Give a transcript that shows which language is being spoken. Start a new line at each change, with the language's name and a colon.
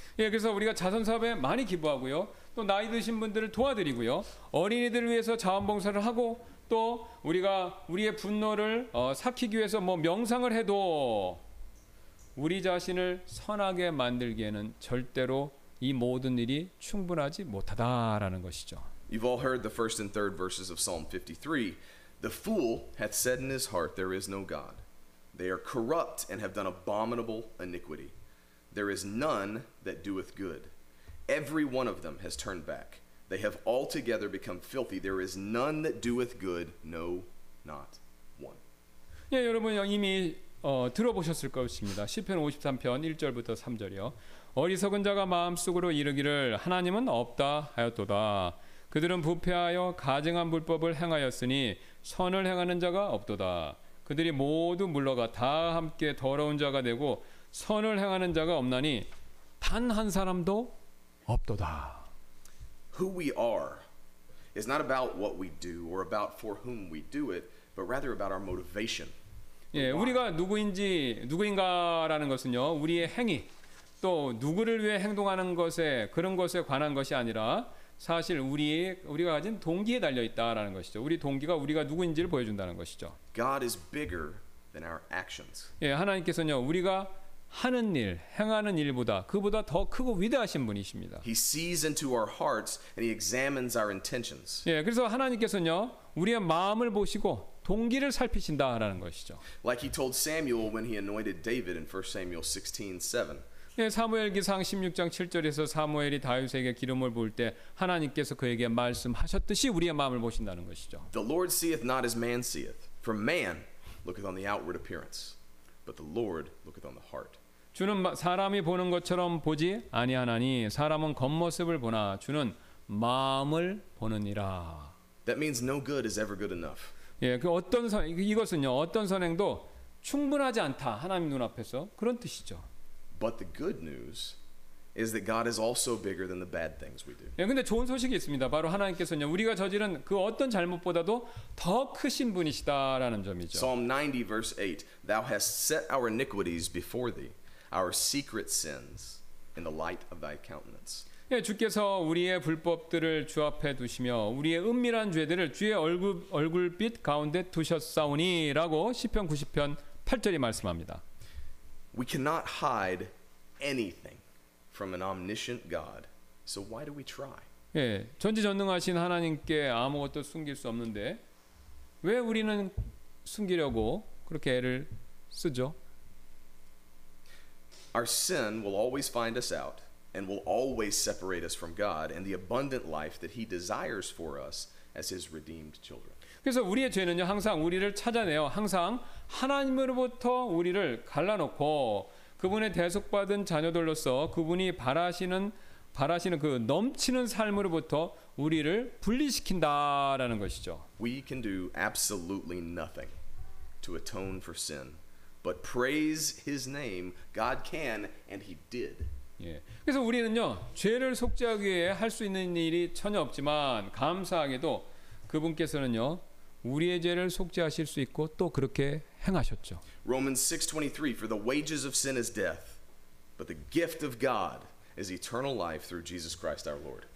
Korean: 예, 그래서 우리가 자선 사업에 많이 기부하고요. 또 나이 드신 분들을 도와드리고요. 어린이들을 위해서 자원봉사를 하고 또 우리가 우리의 분노를 삭히기 위해서 뭐 명상을 해도 우리 자신을 선하게 만들기에는 절대로 이 모든 일이 충분하지 못하다라는 것이죠.
English: You've all heard the first and third verses of Psalm 53. The fool hath said in his heart, there is no God. They are corrupt and have done abominable iniquity. There is none that doeth good. Every one of them has turned back. They have altogether become filthy. There is none that doeth good, no, not one.
Korean: 예, 여러분 이미 들어보셨을 것입니다. 시편 53편 1절부터 3절이요. 어리석은 자가 마음속으로 이르기를 하나님은 없다 하였도다. 그들은 부패하여 가증한 불법을 행하였으니 선을 행하는 자가 없도다. 그들이 모두 물러가 다 함께 더러운 자가 되고 선을 행하는 자가 없나니 단 한 사람도 없도다.
English: Who we are is not about what we do or about for whom we do it, but rather about our motivation.
Korean: 예, 우리가 누구인지 누구인가라는 것은요, 우리의 행위 또 누구를 위해 행동하는 것에 그런 것에 관한 것이 아니라 사실 우리가 가진 동기에 달려 있다라는 것이죠. 우리 동기가 우리가 누구인지를 보여준다는 것이죠.
English: God is bigger than our actions.
Korean: 예, 하나님께서는요, 우리가 하는 일, 행하는 일보다 그보다 더 크고 위대하신 분이십니다.
English: He sees into our hearts and he examines our intentions.
Korean: 예, 그래서 하나님께서는요, 우리의 마음을 보시고 동기를 살피신다라는 것이죠.
English: Like he told Samuel when he anointed David in 1 Samuel 16:7.
Korean: 예, 사무엘기상 16장 7절에서 사무엘이 다윗에게 기름을 부을 때 하나님께서 그에게 말씀하셨듯이 우리의 마음을 보신다는 것이죠.
English: The Lord seeth not as man seeth, for man looketh on the outward appearance. But the Lord looketh on the heart.
Korean: 주는 사람이 보는 것처럼 보지 아니하나니 사람은 겉모습을 보나 주는 마음을 보느니라.
English: That means no good is ever good enough.
Korean: 예, 그 어떤 이것은요 어떤 선행도 충분하지 않다 하나님 눈앞에서 그런 뜻이죠.
English: But the good news is that God is also bigger than the bad things we do.
Korean: 예, 근데 좋은 소식이 있습니다. 바로 하나님께서는요 우리가 저지른 그 어떤 잘못보다도 더 크신 분이시다라는 점이죠.
English: Psalm 90 verse 8, Thou hast set our iniquities before thee, our secret sins in the light of thy countenance.
Korean: 예, 주께서 우리의 불법들을 주 앞에 두시며 우리의 은밀한 죄들을 주의 얼굴빛 가운데 두셨사오니라고 시편 90편 8절이 말씀합니다.
English: We cannot hide anything from an omniscient God. So why do we try?
Korean: 예, 전지전능하신 하나님께 아무것도 숨길 수 없는데 왜 우리는 숨기려고 그렇게 애를 쓰죠?
English: Our sin will always find us out and will always separate us from God and the abundant life that he desires for us as his redeemed children.
Korean: 그래서 우리의 죄는요, 항상 우리를 찾아내요. 항상 하나님으로부터 우리를 갈라놓고 그분의 대속받은 자녀들로서 그분이 바라시는 그 넘치는 삶으로부터 우리를 분리시킨다라는 것이죠.
English: We can do absolutely nothing to atone for sin, but praise his name, God can and he did.
Korean: 예. 그래서 우리는요, 죄를 속죄하기 위해 할 수 있는 일이 전혀 없지만 감사하게도 그분께서는요, 우리의 죄를 속죄하실 수 있고 또 그렇게 행하셨죠.
English: Romans 6:23 For the wages of sin is death, but the gift of God is eternal life through Jesus Christ our Lord.